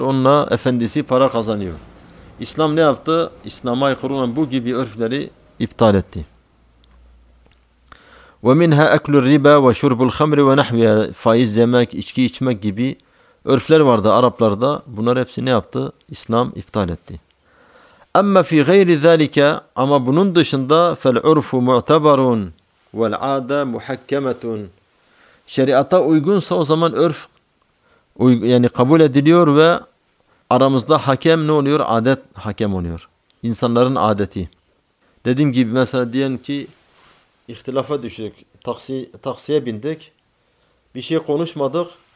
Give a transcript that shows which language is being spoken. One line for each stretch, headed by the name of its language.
Turkish: Onunla efendisi para kazanıyor. İslam ne yaptı? İslam'a aykırı olan bu gibi örfleri iptal etti.
Arabic: وَمِنْهَا أَكْلُ الرِّبَى وَشُرْبُ الْخَمْرِ وَنَحْوِيَ.
Turkish: Faiz yemek, içki içmek gibi örfler vardı Araplarda. Bunlar hepsi ne yaptı? İslam iptal etti.
Arabic: اَمَّا فِي غَيْرِ ذَٰلِكَ.
Turkish: Ama bunun dışında
Arabic: فَالْعُرْفُ مُعْتَبَرٌ وَالْعَادَ مُحَكَّمَةٌ.
Turkish: Şeriata uygunsa o zaman örf yani kabul ediliyor ve aramızda hakem ne oluyor? Adet hakem oluyor. İnsanların adeti. Dediğim gibi mesela diyelim ki ihtilafa düştük. Taksiye bindik. Bir şey konuşmadık.